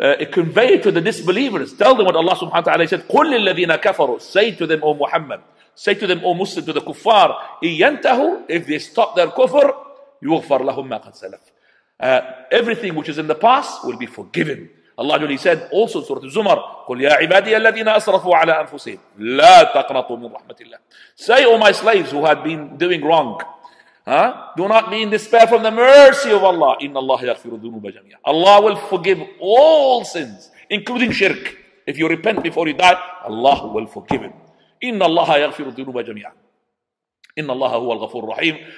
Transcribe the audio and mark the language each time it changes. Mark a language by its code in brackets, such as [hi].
[en] Convey it to the disbelievers. Tell them what Allah subhanahu wa ta'ala said. [ar] قُلْ لِلَّذِينَ كَفَرُوا. [en] Say to them, O Muhammad. Say to them, O Muslim, to the kuffar. [ar] إِيَّنْتَهُ. [en] If they stop their kufr, [ar] يُغْفَرْ لَهُمْ مَا قَدْ سَلَفْ. [en] Everything which is in the past will be forgiven. Allah Jalla said also Surah Zumar, [ar] قُلْ يَا عِبَادِيَ الَّذِينَ أَسْرَفُوا عَلَىٰ أَنفُسِهِمْ لَا تَقْنَطُوا مِنْ رَحْمَةِ اللَّهِ. [en] Say, O my slaves who had been doing wrong, do not be in despair from the mercy of Allah. [ar] إِنَّ اللَّهَ يَغْفِرُ الذُّنُوبَ جَمِيعًا. [en] Allah will forgive all sins, including shirk. If you repent before you die, Allah will forgive him. [ar] إِنَّ اللَّهَ يَغْفِرُ الذُّنُوبَ جَمِيعًا. إِنَّ اللَّهَ هُوَ الْغَفُورُ الرَّحِيمُ.